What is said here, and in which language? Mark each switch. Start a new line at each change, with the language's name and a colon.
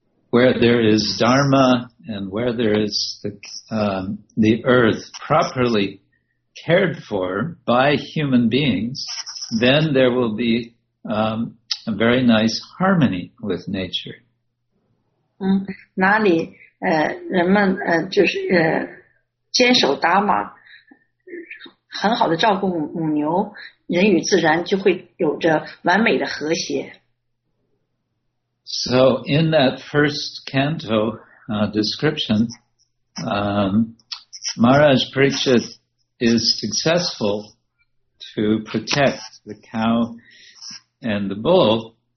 English: Where there is Dharma and where there is the earth properly cared for by human beings, then there will be a very nice harmony with nature.
Chinese: 哪里人们就是坚守达玛，很好的照顾母牛，人与自然就会有着完美的和谐。
English: So in that first canto description, Maharaj Parikshit is successful to protect the cow and the bull.